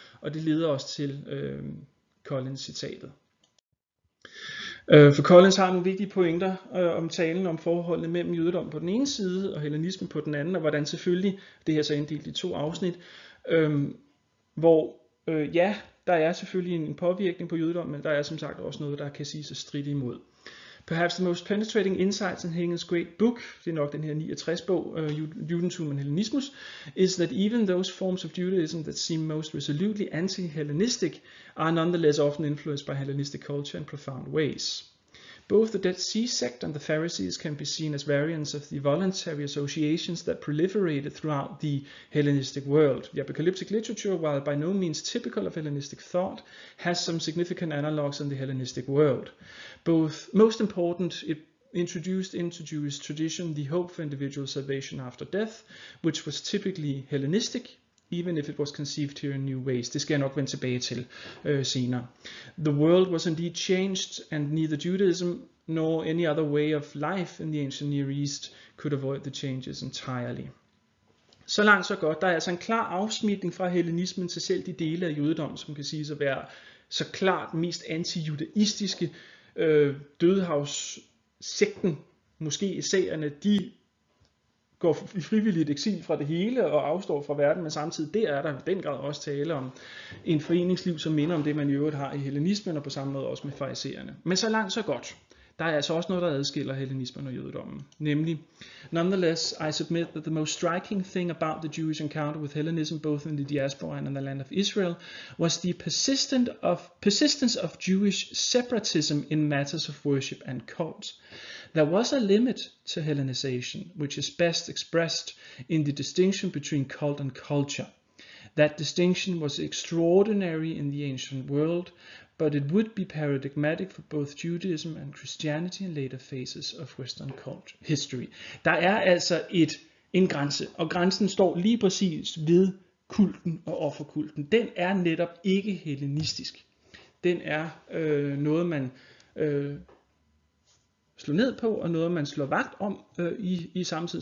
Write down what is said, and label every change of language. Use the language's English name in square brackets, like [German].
[Danish] Og det leder også til Collins-citatet. For Collins har nogle vigtige pointer om talen om forholdet mellem jødedom på den ene side og hellenismen på den anden, og hvordan selvfølgelig, det her så inddelt i to afsnit, hvor ja, der er selvfølgelig en påvirkning på jødedom, men der er som sagt også noget, der kan siges at stride imod. [English] Perhaps the most penetrating insights in Hengen's great book, [Danish] det er nok den her 69-bog, [English] Judentum and Hellenismus, is that even those forms of Judaism that seem most resolutely anti-Hellenistic are nonetheless often influenced by Hellenistic culture in profound ways. Both the Dead Sea sect and the Pharisees can be seen as variants of the voluntary associations that proliferated throughout the Hellenistic world. The apocalyptic literature, while by no means typical of Hellenistic thought, has some significant analogues in the Hellenistic world. Both, most important, it introduced into Jewish tradition the hope for individual salvation after death, which was typically Hellenistic, even if it was conceived here in new ways. [Danish] Det skal jeg nok vende tilbage til senere. [English] The world was indeed changed, and neither Judaism nor any other way of life in the ancient Near East could avoid the changes entirely. [Danish] Så langt så godt. Der er altså en klar afsmitning fra hellenismen til selv de dele af jødedommen, som kan siges at være så klart mest anti-judaistiske. Dødehavssekten, måske essæerne, de går i frivilligt eksil fra det hele og afstår fra verden, men samtidig der er der i den grad også tale om en foreningsliv, som minder om det, man i øvrigt har i hellenismen og på samme måde også med farisæerne. Men så langt så godt. Der er altså også noget, der adskiller hellenismen og jødedommen. Nemlig, [English] nonetheless, I submit that the most striking thing about the Jewish encounter with Hellenism, both in the diaspora and in the land of Israel, was the persistence of Jewish separatism in matters of worship and cult. There was a limit to Hellenization, which is best expressed in the distinction between cult and culture. That distinction was extraordinary in the ancient world, but it would be paradigmatic for both Judaism and Christianity in later phases of Western culture history. [Danish] Der er altså en grænse, og grænsen står lige præcis ved kulten og offerkulten. Den er netop ikke hellenistisk. Den er noget, man slår ned på, og noget, man slår vagt om i samtiden.